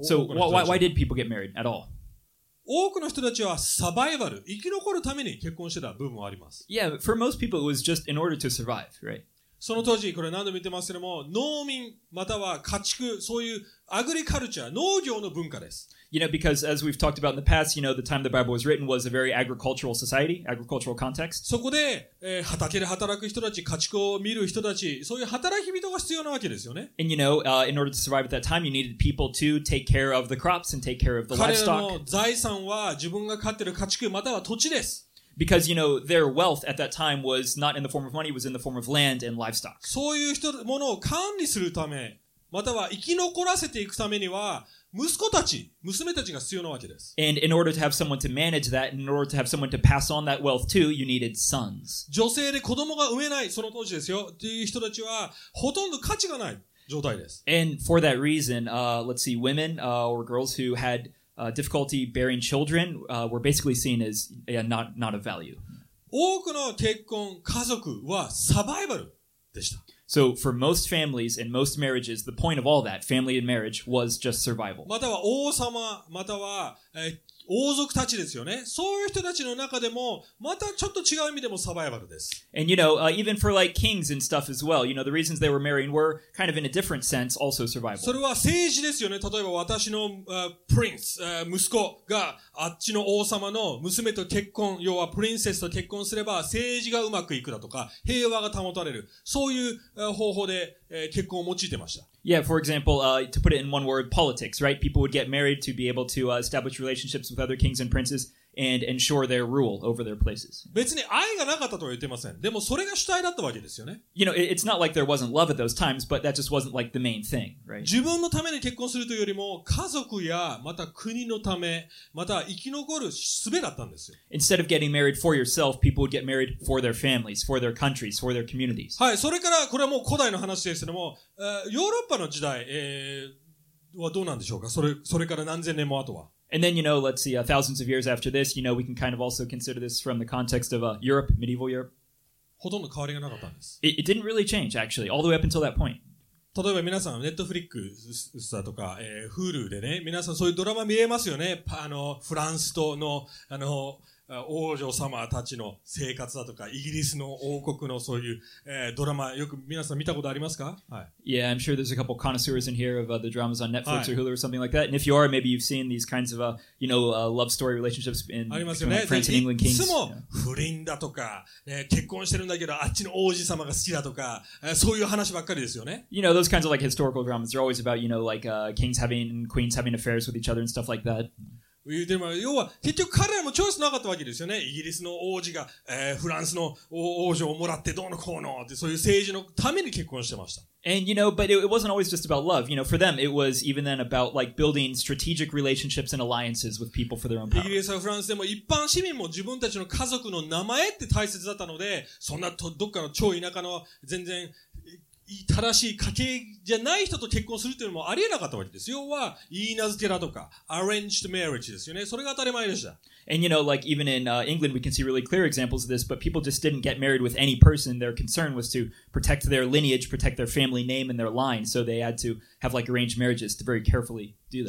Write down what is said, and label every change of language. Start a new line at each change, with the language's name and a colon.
English: So, why did people get married at all?
Japanese: 多くの人たちはサバイバル、生き残るために結婚してた部分もあります。
English: Yeah, but for most people, it was just in order to survive, right?
Japanese: その当時、これ何度も言ってますけども、農民、または家畜、そういうアグリカルチャー、農業の文化です。
English: You know, because as we've talked about in the past, you know, the time the Bible was written was a very agricultural society, agricultural context.
Japanese: そこで、畑で働く人たち、家畜を見る人たち、そういう働き人が必要なわけですよね。
English: And you know, in order to survive at that time, you needed people to take care of the crops and take care of the livestock.
Japanese: 彼らの財産は自分が飼っている家畜、または土地です。
English: Because, you know, their wealth at that time was not in the form of money, it was in the form of land and livestock.
Japanese: そういう人、ものを管理するため、または生き残らせていくためには、息子たち、娘たちが必要なわけです。
English: And in order to have someone to manage that, in order to have someone to pass on that wealth too, you needed sons.
Japanese: 女性で子供が産めない、その当時ですよ、という人たちは、ほとんど価値がない状態です。
English: And for that reason, let's see, women, or girls who had... difficulty bearing children, were basically seen as yeah, not of value.
Japanese: 多くの結婚家族はサバイバルでした。
English: So for most families and most marriages, the point of all that, family and marriage, was just survival.
Japanese: または王様、または、王族たちですよね。そういう人たちの中でも、またちょっと違う意味でもサバイバルです。
English: And you know, even for like kings and stuff as well, you know, the reasons they were marrying were kind of in a different sense also survival.
Japanese: それは政治ですよね。例えば私の、prince、息子があっちの王様の娘と結婚、要はプリンセスと結婚すれば政治がうまくいくだとか、平和が保たれる。そういう、方法で、結婚を用いてました。
English: Yeah, for example, to put it in one word, politics, right? People would get married to be able to establish relationships with other kings and princes and ensure their rule over their places.
Japanese: 別に愛がなかったとは言ってません。でもそれが主体だったわけですよね。
English: You know, it's not like there wasn't love at those times, but that just wasn't like the main thing, right?
Japanese: 自分のために結婚するというよりも家族やまた国のため、また生き残る術だったんですよ。
English: Instead of getting married for yourself, people would get married for their families, for their countries, for their communities.
Japanese: はい、それからこれはもう古代の話ですけども、ヨーロッパの時代、はどうなんでしょうか。それから何千年も後は。
English: And then, you know, let's see, thousands of years after this, you know, we can kind of also consider this from the context of Europe, medieval Europe.
Japanese: ほとんど変わりがなかったんです。
English: It didn't really change, actually, all the way up until that point.
Japanese: 例えば皆さん、Netflix だとか、Hulu でね、皆さんそういうドラマ見えますよね。フランスとの、王女様たちの生活だとか、イギリスの王国のそういう、ドラマ、よく皆さん見たことありますか? はい。
English: Yeah, I'm sure there's a couple of connoisseurs in here of the dramas on Netflix、はい、or Hulu or something like that. And if you are, maybe you've seen these kinds of, you know, love story relationships in、ね、like, France and England kings.
Japanese: いつも不倫だとか、結婚してるんだけど、あっちの王子様が好きだとか、そういう話ばっかりですよね。
English: You know, those kinds of like historical dramas, they're always about, you know, like, kings having, queens having affairs with each other and stuff like that.
Japanese: 要は結局彼らもチョイスなかったわけですよね。イギリスの王子が、フランスの王女をもらってどうのこうのってそういう政治のために結婚してました。
English: And you know, but it wasn't always just about love. You know, for them, it was even then about like building strategic relationships and alliances with people for their own power.
Japanese: イギリスやフランスでも一般市民も自分たちの家族の名前って大切だったので、そんなどっかの超田舎の全然正しい家系じゃない人と結婚するというのもありえなかったわけです。要は、いい名付けだとか、
English: arranged marriage
Japanese: ですよね。それが当たり前でした。
English: And you know, like even in England, we can see really clear examples of this, but people just didn't get married with any person. Their concern was to protect their lineage, protect their family name and their line. So they had to have like arranged marriages to very carefully do that.